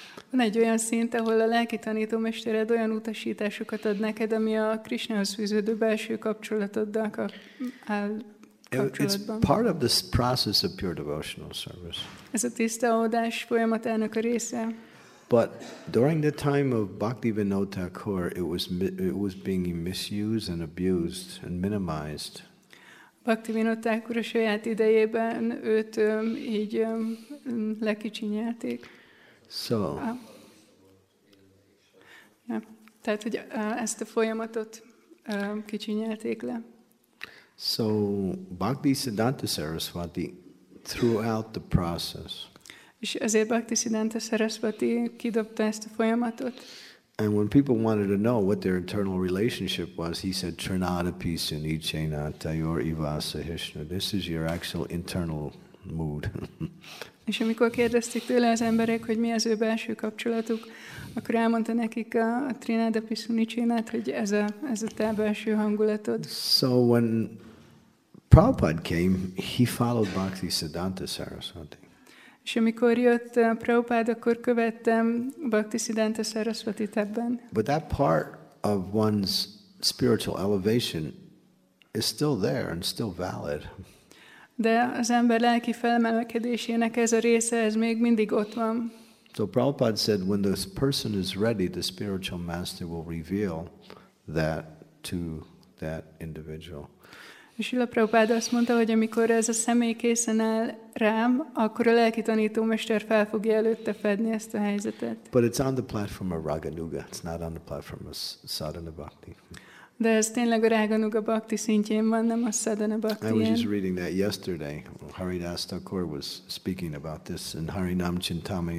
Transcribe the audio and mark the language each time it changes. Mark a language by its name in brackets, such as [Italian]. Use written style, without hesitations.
[Hungarian] Van egy olyan szint, ahol a lelki tanító mestered olyan utasításokat ad neked, ami a Krishnához fűződő belső kapcsolatoddal kapcsolatban. [English] It's part of this process of pure devotional service. [Hungarian] Ez a tiszta odás folyamatának a része. [English] But during the time of Bhaktivinoda Thakur, it was being misused and abused and minimized. [Hungarian] Bhaktivinoda Thakur a saját idejében őt így lekicsinyelték. [English] So. [Hungarian] Ja, tehát, hogy ezt a folyamatot kicsinyelték le. [English] So, Bhaktisiddhanta Saraswati throughout the process. [Hungarian] És ezért Bhaktisiddhanta Saraswati kidobta ezt a folyamatot. [English] And when people wanted to know what their internal relationship was, he said, [Sanskrit] Trinadapi sunichena tayor ivasa hishna. [English] This is your actual internal mood. [Hungarian] És amikor kérdezték tőle az emberek, hogy mi az ő belső kapcsolatuk, akkor elmondta nekik a Trinadapi sunichena, hogy ez a te belső hangulatod. [English] So when Prabhupada came, he followed Bhaktisiddhanta Saraswati. [Hungarian] És amikor jött Prabhupád, akkor követtem Bhaktisiddhanta Saraswatit ebben. [English] But that part of one's spiritual elevation is still there and still valid. [Hungarian] De az ember lelki felemelkedésének ez a része, ez még mindig ott van. [English] So Prabhupád said, when this person is ready, the spiritual master will reveal that to that individual. [Hungarian] És Srila Prabhupada azt mondta, hogy amikor ez a személy készen áll rám, akkor a lelki tanító mester fel fogja előtte fedni ezt a helyzetet. [English] But it's on the platform of Raganuga, it's not on the platform of Sadhana Bhakti. [Hungarian] De ez tényleg a Raganuga Bhakti szintjén van, nem a Sadhana Bhakti. [English] I was just reading that yesterday. Haridas Thakur was speaking about this in Harinam Chintamani.